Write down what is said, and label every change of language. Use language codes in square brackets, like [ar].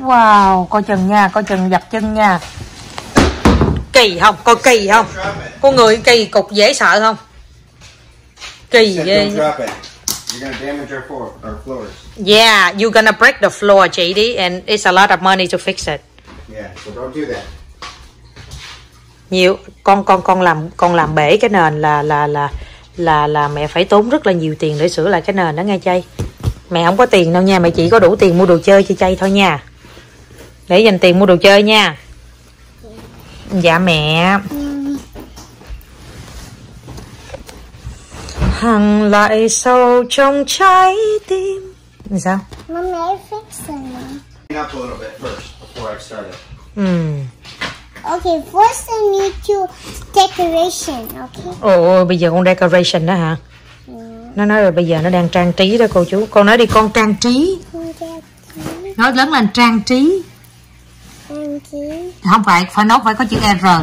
[vi] Wow, coi chừng nha, coi chừng dập chân nha. Kỳ không? Coi kỳ không? Có người kỳ cục dễ sợ không? Kỳ ghê. [en] Don't drop it. You're gonna damage our floor, our floors. Yeah, you're gonna break the floor, JD, and it's a lot of money to fix it. Yeah, so don't do that. [vi] Nhiều con làm bể cái nền là mẹ phải tốn rất là nhiều tiền để sửa lại cái nền đó nghe chay. Mẹ không có tiền đâu nha, mẹ chỉ có đủ tiền mua đồ chơi cho chay thôi nha. Để dành tiền mua đồ chơi nha. Dạ mẹ. Hằng lại sâu trong trái tim. Sao? [en] Mommy fix it. Clean up a little bit first before I start it. Okay, first I need to decoration, okay? [vi] Ồ, bây giờ con decoration đó hả? Nó nói là bây giờ nó đang trang trí đó cô chú. Con nói đi, con trang trí. Nói lớn lên trang trí. Trang trí. Không phải, phải nói phải có chữ R.